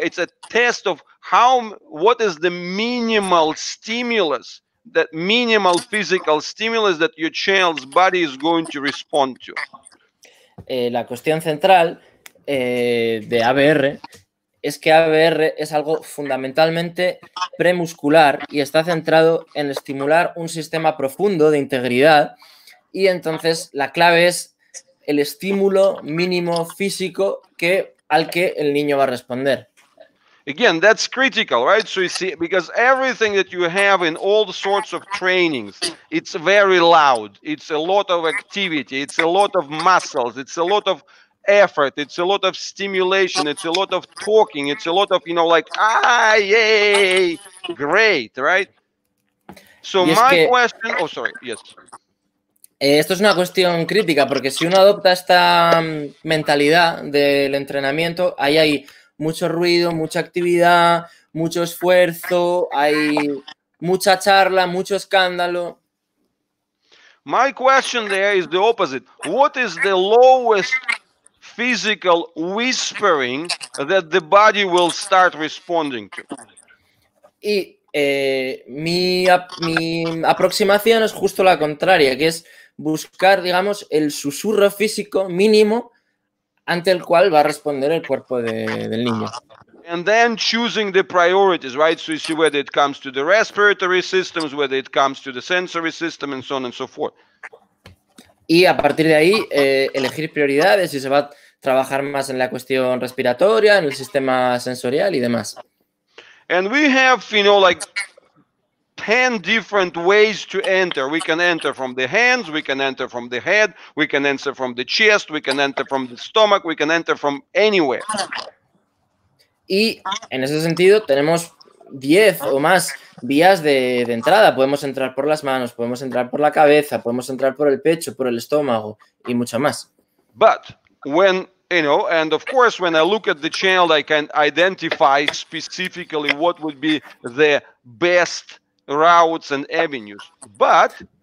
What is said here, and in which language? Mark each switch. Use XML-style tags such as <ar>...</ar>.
<en>It's a test of how, what is the minimal stimulus, that minimal physical stimulus that your child's body is going to respond to.</en> <es>La cuestión central de ABR es que ABR es algo fundamentalmente premuscular y está centrado en estimular un sistema profundo de integridad, y entonces la clave es el estímulo mínimo físico que al que el niño va a responder.</es> <en>Again, that's critical, right? So you see, because everything that you have in all sorts of trainings, it's very loud. It's a lot of activity. It's a lot of muscles. It's a lot of effort. It's a lot of stimulation. It's a lot of talking. It's a lot of, you know, like, yay, great, right? So my question, oh, sorry, yes.</en> <es>Esto es una cuestión crítica, porque si uno adopta esta mentalidad del entrenamiento, ahí hay mucho ruido, mucha actividad, mucho esfuerzo, hay mucha charla, mucho escándalo.</es> <en>My question there is the opposite. What is the lowest physical whispering that the body will start responding to?</en> <es>Y mi aproximación es justo la contraria, que es buscar, digamos, el susurro físico mínimo ante el cual va a responder el cuerpo del niño.</es> <en>And then choosing the priorities, right? So you see whether it comes to the respiratory systems, whether it comes to the sensory system, and so on and so forth.</en> <es>Y a partir de ahí, elegir prioridades, si se va a trabajar más en la cuestión respiratoria, en el sistema sensorial y demás.</es> <en>And we have, you know, like 10 different ways to enter. We can enter from the hands, we can enter from the head, we can enter from the chest, we can enter from the stomach, we can enter from anywhere.</en> <es>Y en ese sentido tenemos 10 o más vías de entrada. Podemos entrar por las manos, podemos entrar por la cabeza, podemos entrar por el pecho, por el estómago y mucho más.</es> <en>But when, you know, and of course when I look at the channel, I can identify specifically what would be the best routes and avenues, but.</en>